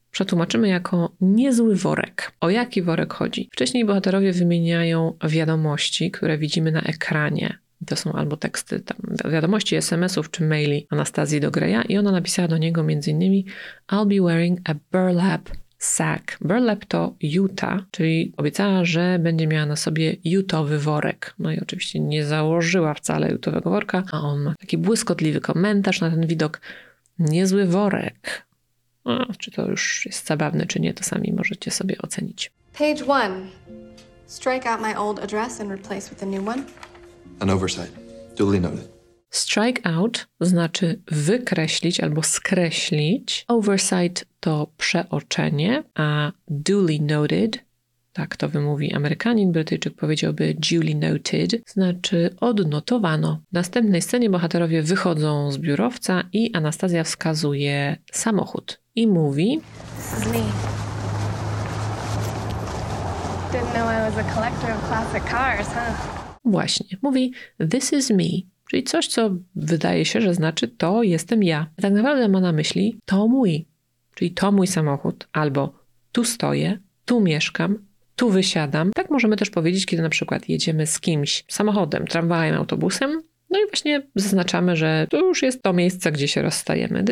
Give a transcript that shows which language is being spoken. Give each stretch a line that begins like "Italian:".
Polish: Przetłumaczymy jako niezły worek. O jaki worek chodzi? Wcześniej bohaterowie wymieniają wiadomości, które widzimy na ekranie. To są albo teksty, tam wiadomości SMS-ów czy maili Anastazji do Greya i ona napisała do niego m.in.
English: I'll be wearing a burlap sack.
Polish: Burlap to juta, czyli obiecała, że będzie miała na sobie jutowy worek. No i oczywiście nie założyła wcale jutowego worka, a on ma taki błyskotliwy komentarz na ten widok. Niezły worek. A, czy to już jest zabawne, czy nie, to sami możecie sobie ocenić.
English: Page one. Strike out my old address and replace with a new one. An oversight. Duly noted.
Polish: Strike out znaczy wykreślić albo skreślić. Oversight to przeoczenie, a
English: duly noted,
Polish: tak to wymówi Amerykanin, Brytyjczyk powiedziałby duly noted, znaczy odnotowano. W następnej scenie bohaterowie wychodzą z biurowca i Anastazja wskazuje samochód i mówi...
English: This is me. Didn't know I was a collector of classic cars, huh?
Polish: Właśnie, mówi
English: this is me.
Polish: Czyli coś, co wydaje się, że znaczy to jestem ja. A tak naprawdę ma na myśli to mój, czyli to mój samochód, albo tu stoję, tu mieszkam, tu wysiadam. Tak możemy też powiedzieć, kiedy na przykład jedziemy z kimś samochodem, tramwajem, autobusem, no i właśnie zaznaczamy, że to już jest to miejsce, gdzie się rozstajemy.